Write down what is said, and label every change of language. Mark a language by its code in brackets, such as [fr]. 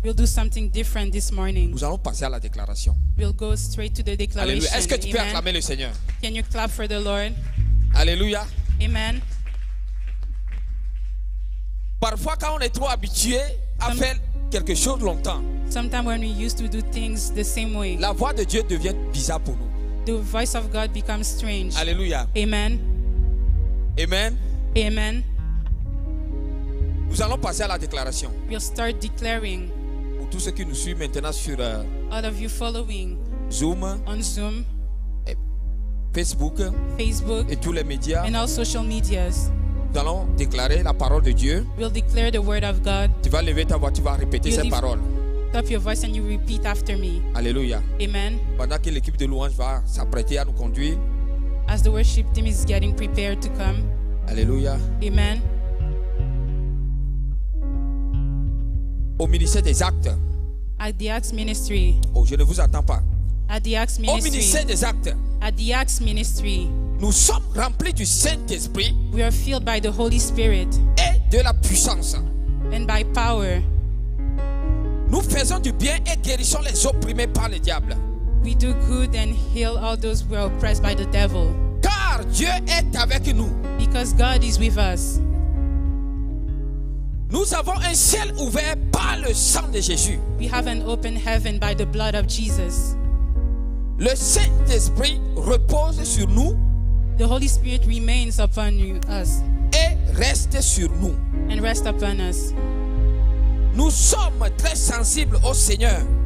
[en] We'll do something different this morning. [fr] Nous allons passer à la déclaration. [en] We'll go straight to the declaration. [fr] Alléluia. Est-ce que tu Amen. Peux acclamer le Seigneur? [en] Can you clap for the Lord? Alléluia. Amen. [fr] Parfois quand on est trop habitué à faire quelque chose longtemps. [en] Sometimes when we used to do things the same way. [fr] La voix de Dieu devient bizarre pour nous. [en] The voice of God becomes strange. Alléluia. Amen. Amen. Amen. [fr] Nous allons passer à la déclaration. [en] We'll start declaring. [fr] Pour tous ceux qui nous suivent maintenant sur [en] all of you following Zoom, on Zoom, Facebook, Facebook [fr] et tous les médias, [en] and all social medias. [fr] Nous allons déclarer la parole de Dieu. [en] We'll declare the word of God. [fr] Tu vas lever ta voix, tu vas répéter ces paroles. [en] Top your voice and you repeat after me. Alléluia. Amen. [fr] Pendant que l'équipe de louange va s'apprêter à nous conduire. [en] As the worship team is getting prepared to come. Alléluia. Amen. [fr] Au ministère des actes. [en] At the Acts ministry. [fr] Oh, je ne vous attends pas. [en] At the Acts ministry. [fr] Au ministère des actes. [en] At the Acts ministry. [fr] Nous sommes remplis du Saint-Esprit. [en] We are filled by the Holy Spirit. [fr] Et de la puissance. [en] And by power. [fr] Nous faisons du bien et guérissons les opprimés par le diable. [en] We do good and heal all those who are oppressed by the devil. [fr] Car Dieu est avec nous. [en] Because God is with us. [fr] Nous avons un ciel ouvert par le sang de Jésus. [en] We have an open heaven by the blood of Jesus. [fr] Le Saint-Esprit repose sur nous. [en] The Holy Spirit remains upon us. [fr] Et reste sur nous. [en] And rest upon us. [fr] Nous sommes très sensibles au Seigneur.